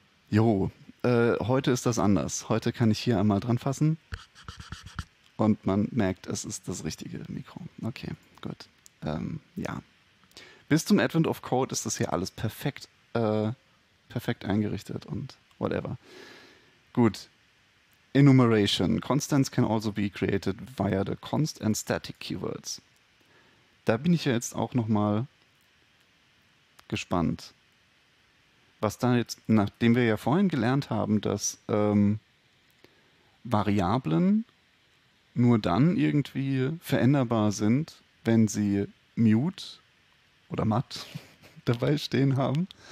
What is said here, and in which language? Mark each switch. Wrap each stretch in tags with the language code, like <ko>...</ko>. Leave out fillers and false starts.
<de>Jo, heute ist das anders. Heute kann ich hier einmal dran fassen. Und man merkt, es ist das richtige Mikro. Okay, gut. Ja. Bis zum Advent of Code ist das hier alles perfekt, perfekt eingerichtet und whatever. Gut. Enumeration.</de> <en>Constants can also be created via the const and static keywords.</en> <de>Da bin ich ja jetzt auch nochmal gespannt. Was da jetzt, nachdem wir ja vorhin gelernt haben, dass Variablen nur dann irgendwie veränderbar sind, wenn sie mute oder matt dabei stehen haben.</de>